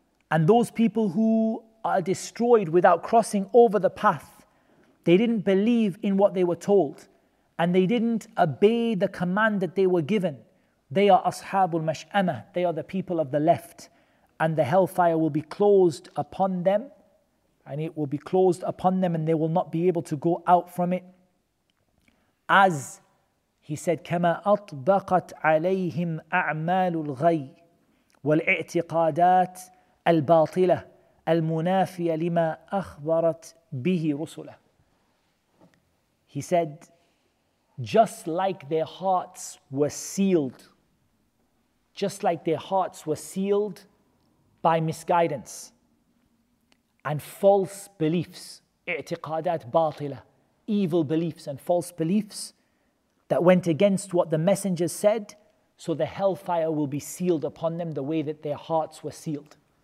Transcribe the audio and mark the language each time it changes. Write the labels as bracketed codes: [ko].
[en] And those people who are destroyed without crossing over the path, they didn't believe in what they were told. And they didn't obey the command that they were given. They are Ashabul Mash'amah. They are the people of the left. And the hellfire will be closed upon them. And it will be closed upon them and they will not be able to go out from it. As he said, [ar] كَمَا أَطْبَقَتْ عَلَيْهِمْ أَعْمَالُ الْغَيِّ وَالْإِعْتِقَادَاتِ الْبَاطِلَةِ الْمُنَافِيَ لِمَا أَخْبَرَتْ بِهِ رُسُلَهِ. [en] He said, just like their hearts were sealed, just like their hearts were sealed by misguidance and false beliefs, [ar] i'tiqadat batila, [en] evil beliefs and false beliefs that went against what the messenger said, so the hellfire will be sealed upon them the way that their hearts were sealed.